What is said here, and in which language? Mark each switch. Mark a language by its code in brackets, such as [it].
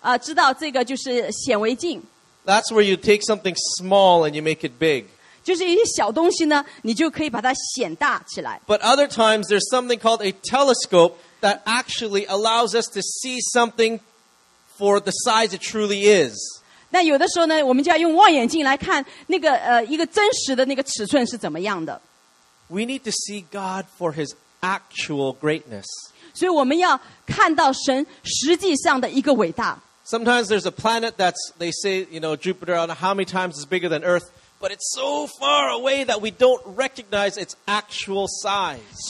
[zh] 有的时候我们就特别的知道这个就是显微镜。 [en] That's where you take something small and you make it big. [zh] 就是一些小东西呢，你就可以把它显大起来。 [en] But other times there's something called a telescope that actually allows us to see something for the size it truly is. [zh] 那有的时候呢，我们就要用望远镜来看那个一个真实的那个尺寸是怎么样的。 [en] We need to see God for His actual greatness. [zh] 所以我们要看到神实际上的一个伟大。 [en] Sometimes there's a planet that's, they say, you know, Jupiter, I don't know how many times it's bigger than Earth, but it's so far away that we don't recognize its actual size.